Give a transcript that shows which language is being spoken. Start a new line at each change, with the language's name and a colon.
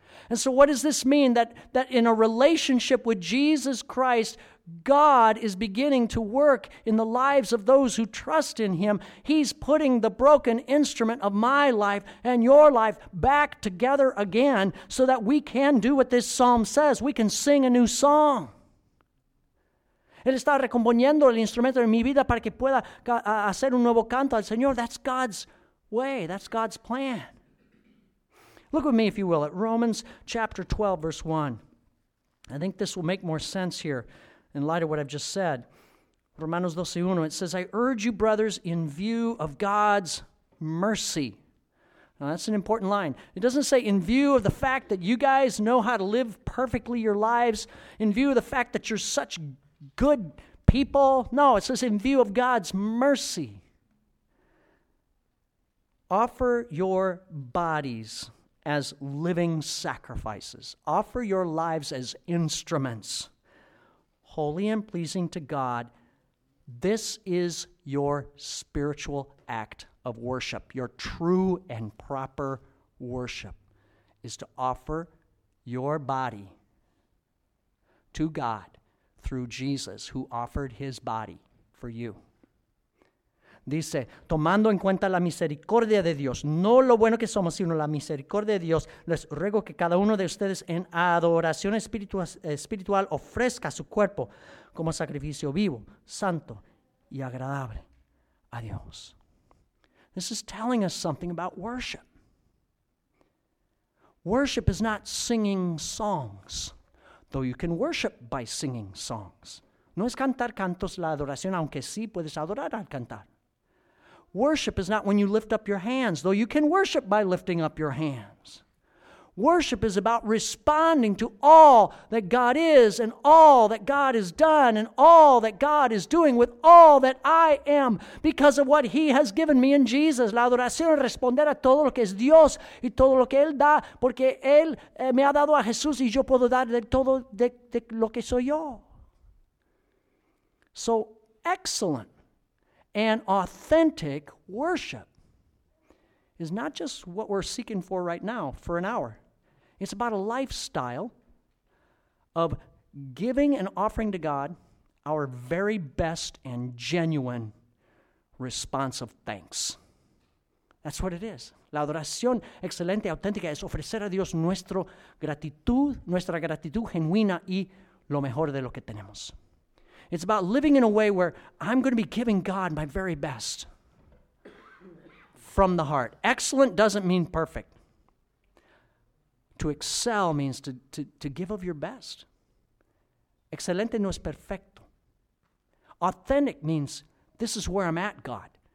English: And so what does this mean? That in a relationship with Jesus Christ, God is beginning to work in the lives of those who trust in him. He's putting the broken instrument of my life and your life back together again so that we can do what this psalm says. We can sing a new song.
Spanish: Él está recomponiendo el instrumento de mi vida para que pueda hacer un nuevo canto al Señor.
English: That's God's way. That's God's plan. Look with me, if you will, at Romans chapter 12, verse 1. I think this will make more sense here in light of what I've just said. Romanos 12, 1, it says, I urge you, brothers, in view of God's mercy. Now, that's an important line. It doesn't say in view of the fact that you guys know how to live perfectly your lives, in view of the fact that you're such good people. No, it says in view of God's mercy. Offer your bodies as living sacrifices. Offer your lives as instruments, holy and pleasing to God. This is your spiritual act of worship. Your true and proper worship is to offer your body to God through Jesus, who offered his body for you.
Spanish: Dice, tomando en cuenta la misericordia de Dios, no lo bueno que somos, sino la misericordia de Dios, les ruego que cada uno de ustedes en adoración espiritual ofrezca su cuerpo como sacrificio vivo, santo y agradable a Dios.
English: This is telling us something about worship. Worship is not singing songs, though you can worship by singing songs.
Spanish: No es cantar cantos la adoración, aunque sí puedes adorar al cantar.
English: Worship is not when you lift up your hands, though you can worship by lifting up your hands. Worship is about responding to all that God is and all that God has done and all that God is doing with all that I am because of what He has given me in Jesus.
Spanish: La adoración es responder a todo lo que es Dios y todo lo que Él da porque Él me ha dado a Jesús y yo puedo dar de todo de lo que soy yo.
English: So, excellent and authentic worship is not just what we're seeking for right now for an hour. It's about a lifestyle of giving and offering to God our very best and genuine response of thanks. That's what it is.
Spanish: La adoración excelente, auténtica, es ofrecer a Dios nuestra gratitud genuina y lo mejor de lo que tenemos.
English: It's about living in a way where I'm going to be giving God my very best from the heart. Excellent doesn't mean perfect. To excel means to give of your best.
Spanish: Excelente no es perfecto.
English: Authentic means this is where I'm at, God.